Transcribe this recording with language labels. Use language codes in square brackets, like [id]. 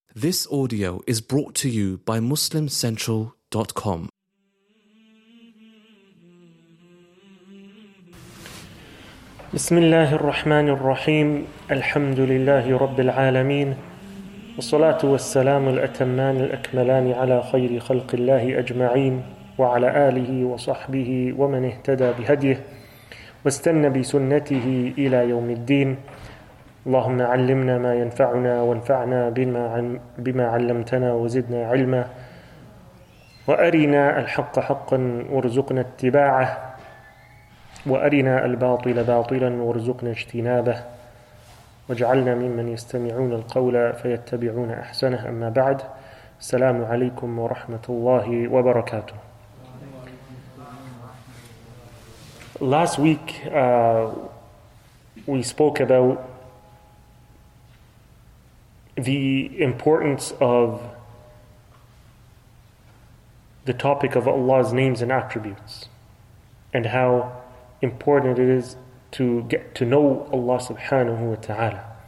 [en] This audio is brought to you by MuslimCentral.com. [ar] بسم الله الرحمن الرحيم الحمد لله رب العالمين والصلاة والسلام الأتمان الأكملان على خير خلق الله أجمعين وعلى آله وصحبه ومن اهتدى بهديه واستنى بسنته إلى يوم الدين. اللهم علمنا ما ينفعنا وانفعنا بما علمتنا وزدنا علما وأرنا الحق حقا وارزقنا اتباعه وأرنا الباطل باطلا وارزقنا اجتنابه واجعلنا ممن يستمعون القول فيتبعون أحسنه. أما بعد، السلام عليكم ورحمة الله وبركاته. [en] Last week we spoke about the importance of the topic of Allah's names and attributes and how important it is to get to know Allah subhanahu wa ta'ala,